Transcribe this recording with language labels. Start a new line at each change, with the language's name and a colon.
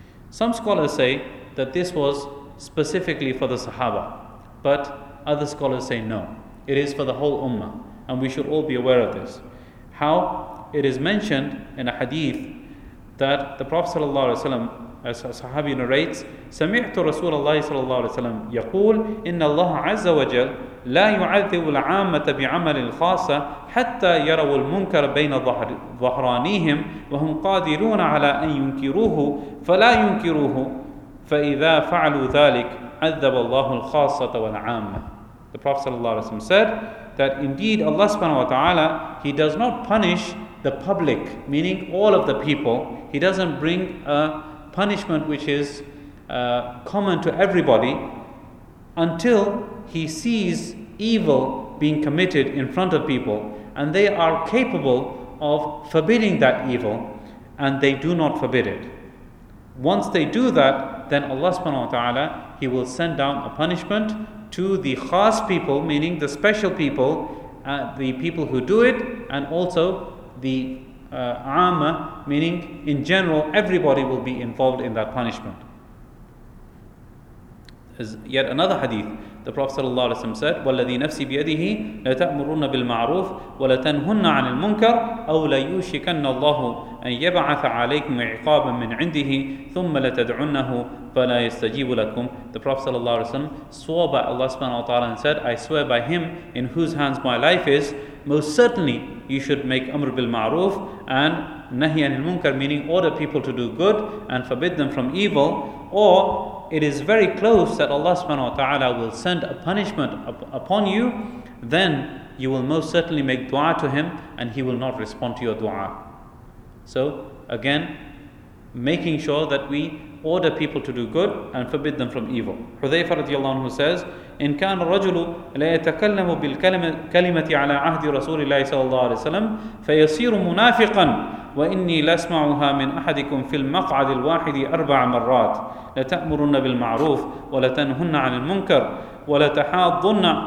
English: Some scholars say that this was specifically for the Sahaba, but other scholars say no, it is for the whole Ummah, and we should all be aware of this. How it is mentioned in a hadith that the Prophet sallallahu alaihi wasallam, as a Sahabi narrates,
Arabic: سَمِعْتُ رَسُولَ اللَّهِ صَلَى اللَّهُ عَلَيْهِ وَسَلَمْ يَقُولُ إِنَّ اللَّهَ عَزَّ وَجَلْ لَا يُعَذِّبُ الْعَامَةَ بِعَمَلِ الْخَاسَ حَتَّى يَرَوُ الْمُنْكَرَ بَيْنَ ظَهْرَانِيهِمْ وَهُمْ قَادِرُونَ عَلَىٰ أَنْ يُنْكِرُوهُ فَلَا يُنْكِرُوهُ فَإِذَا فَعَلُوا ذَلِكَ عَذَّبَ اللَّهُ الْخَاسَةَ وَالْعَامَةَ.
English: The Prophet sallallahu alaihi wasallam said that indeed Allah subhanahu wa ta'ala, he does not punish the public, meaning all of the people. He doesn't bring a punishment which is common to everybody until he sees evil being committed in front of people and they are capable of forbidding that evil and they do not forbid it. Once they do that, then Allah subhanahu wa ta'ala, he will send down a punishment to the khas people, meaning the special people, the people who do it, and also the Aama, meaning in general, everybody will be involved in that punishment. There's yet another hadith. The Prophet sallallahu alaihi wasallam said,
Arabic: وَالَّذِي نَفْسِ بِيَدِهِ لَتَأْمُرُونَ بِالْمَعْرُوفِ وَلَتَنْهُنَّ عَنِ الْمُنْكَرِ أَوْ لَيُوشِكَنَّ اللَّهُ أَنْ يَبْعَثَ عَلَيْكُمْ عِقَابًا مِنْ عِنْدِهِ ثُمَّ لَتَدْعُنَّهُ فَلَا يَسْتَجِيبُ لَكُمْ.
English: The Prophet sallallahu alaihi wasallam swore by Allah subhanahu wa ta'ala and said, I swear by him in whose hands my life is, most certainly you should make
Arabic: amr bil ma'roof and nahi anil munkar,
English: meaning order people to do good and forbid them from evil, or it is very close that Allah subhanahu wa ta'ala will send a punishment upon you, then you will most certainly make dua to him and he will not respond to your dua. So again, making sure that we order people to do good and forbid them from evil. Hudhayfa radiyallahu anhu says,
Arabic: إن كان الرجل لا يتكلم بالكلمة على عهد رسول الله صلى الله عليه وسلم فيصير منافقا وإني لأسمعها من أحدكم في المقعد الواحد 4 مرات لتأمرن بالمعروف ولتنهن عن المنكر ولتحاضن